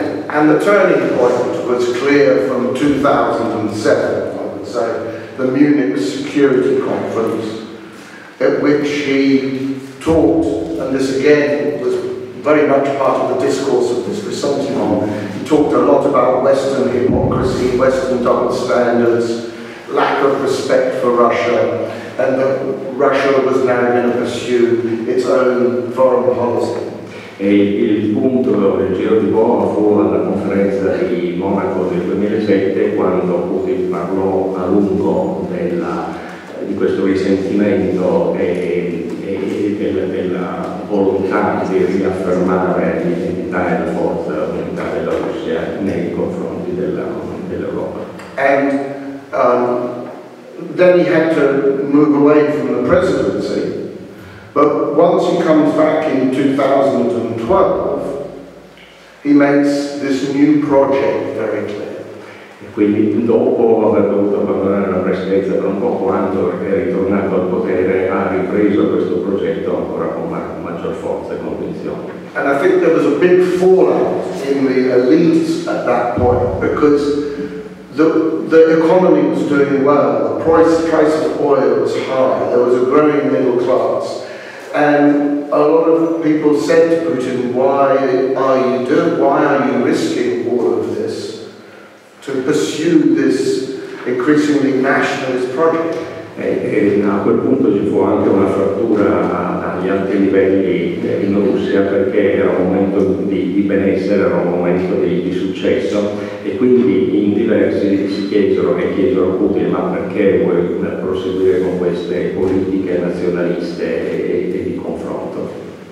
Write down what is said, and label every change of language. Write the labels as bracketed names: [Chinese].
[English] And the turning point was clear from 2007, I would say, the Munich Security Conference, at which he talked, and this again was very much part of the discourse of this resentiment. He talked a lot about Western hypocrisy, Western double standards, lack of respect for Russia, and that Russia was now going to pursue its own foreign policy. [Italian] E il punto del giro di boa fu alla conferenza di Monaco del 2007, quando Putin parlò a lungo di questo risentimento e della volontà di riaffermare l'identità e la forza della Russia nei confronti dell'Europa. [English] And then he had to move away from the presidency, but once he comes back in 2012, he makes this new project very clear. [Italian] Quindi dopo aver dovuto abbandonare la presidenza per un po', quando è ritornato al potere, ha ripreso questo progetto ancora con maggior forza e convinzione. [English] And I think there was a big fallout in the elites at that point, because the economy was doing well, the price of oil was high, there was a growing middle class, and a lot of people said to Putin, why are you risking all of this to pursue this increasingly nationalist project? [Italian] E a quel punto ci fu anche una frattura agli alti livelli in Russia, perché era un momento di benessere, era un momento di successo, e quindi in diversi si chiesero e chiesero a Putin: ma perché vuoi proseguire con queste politiche nazionaliste e di confronto?